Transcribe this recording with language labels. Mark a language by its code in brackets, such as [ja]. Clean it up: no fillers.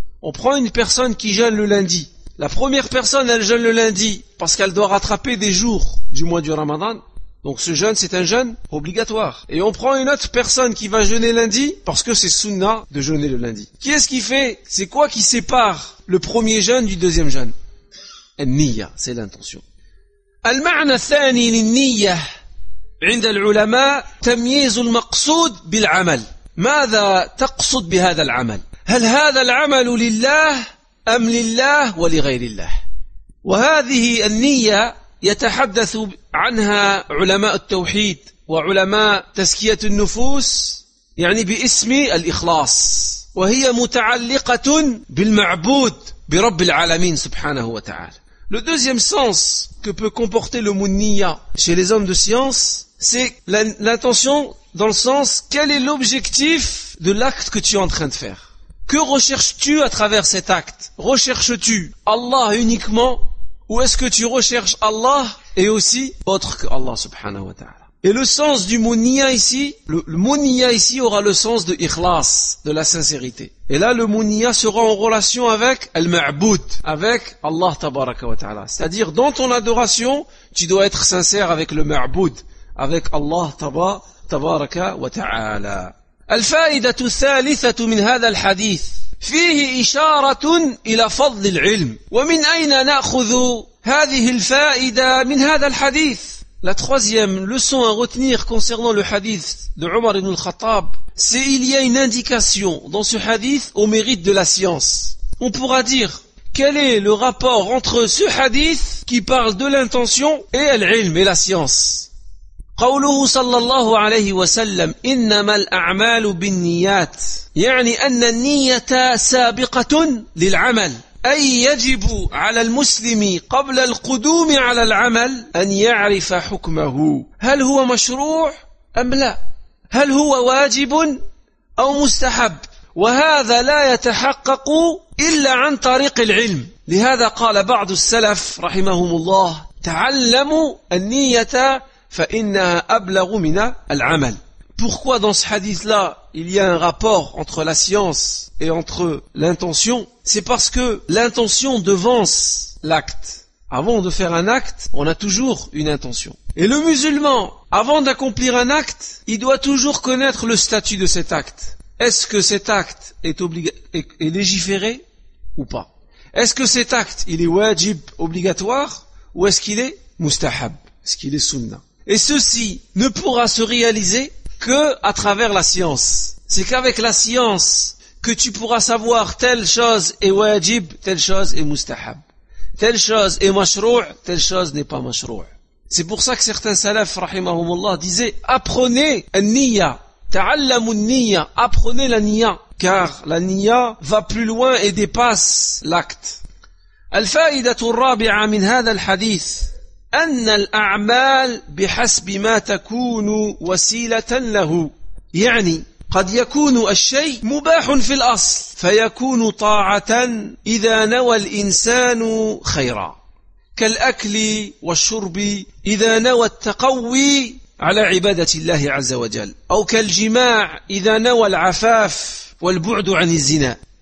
[fr] On prend une personne qui jeûne le lundi. La première personne, elle jeûne le lundi parce qu'elle doit rattraper des jours du mois du Ramadan. Donc ce jeûne, c'est un jeûne obligatoire. Et on prend une autre personne qui va jeûner lundi parce que c'est sunna de jeûner le lundi. Qu'est-ce qui fait? C'est quoi qui sépare le premier jeûne du deuxième jeûne? Al-niyya, c'est l'intention. [ar] Al-ma'na thani lil-niyya عند العلماء تمييز المقصود بالعمل ماذا تقصد بهذا العمل هل هذا العمل لله أم لله ولغير الله وهذه النية يتحدث عنها علماء التوحيد وعلماء تزكية النفوس يعني باسم الإخلاص وهي متعلقة بالمعبود برب العالمين سبحانه وتعالى. [fr] Le deuxième sens que peut comporter le mot niya chez les hommes de science, c'est l'intention dans le sens, quel est l'objectif de l'acte que tu es en train de faire? Que recherches-tu à travers cet acte? Recherches-tu Allah uniquement ou est-ce que tu recherches Allah et aussi autre que Allah subhanahu wa ta'ala? Et le sens du mot niya ici, le mot niya ici aura le sens de ikhlas, de la sincérité. Et là, le mot niya sera en relation avec al-ma'bud, avec Allah tabaraka wa ta'ala. C'est-à-dire, dans ton adoration, tu dois être sincère avec le ma'bud, avec Allah tabaraka wa ta'ala. [ar] الفائدة الثالثة من هذا الحديث فيه إشارة إلى فضل العلم ومن أين نأخذ هذه الفائدة من هذا الحديث. [fr] La troisième leçon à retenir concernant le hadith de Omar ibn al-Khattab, c'est qu'il y a une indication dans ce hadith au mérite de la science. On pourra dire, quel est le rapport entre ce hadith qui parle de l'intention et l'ilm et la science? [ar] قوله صلى الله عليه وسلم إنما الأعمال بالنيات يعني أن النية سابقة للعمل أي يجب على المسلم قبل القدوم على العمل أن يعرف حكمه هل هو مشروع أم لا هل هو واجب أو مستحب وهذا لا يتحقق إلا عن طريق العلم لهذا قال بعض السلف رحمهم الله تعلموا النية فَإِنَّهَا أَبْلَغُ مِنَا الْعَمَلِ. [fr] Pourquoi dans ce hadith-là, il y a un rapport entre la science et entre l'intention? C'est parce que l'intention devance l'acte. Avant de faire un acte, on a toujours une intention. Et le musulman, avant d'accomplir un acte, il doit toujours connaître le statut de cet acte. Est-ce que cet acte est légiféré ou pas? Est-ce que cet acte, il est wajib, obligatoire, ou est-ce qu'il est mustahab, est-ce qu'il est sunnah? Et ceci ne pourra se réaliser que à travers la science. C'est qu'avec la science que tu pourras savoir telle chose est wajib, telle chose est mustahab. Telle chose est mashrou', telle chose n'est pas mashrou'. C'est pour ça que certains salaf, rahimahumullah, disaient « Apprenez al-niyya, [ar] ta'allamu al-niyya, [fr] apprenez la niyya, car la niyya va plus loin et dépasse l'acte. » [ar] Al-fa'idatu al-rabi'a min hadha al-hadith. أن الأعمال بحسب ما تكون وسيلة له يعني قد يكون الشيء مباح في الأصل فيكون طاعة إذا نوى الإنسان خيرا كالأكل والشرب إذا نوى التقوي على عبادة الله عز وجل أو كالجماع إذا نوى العفاف والبعد عن الزنا.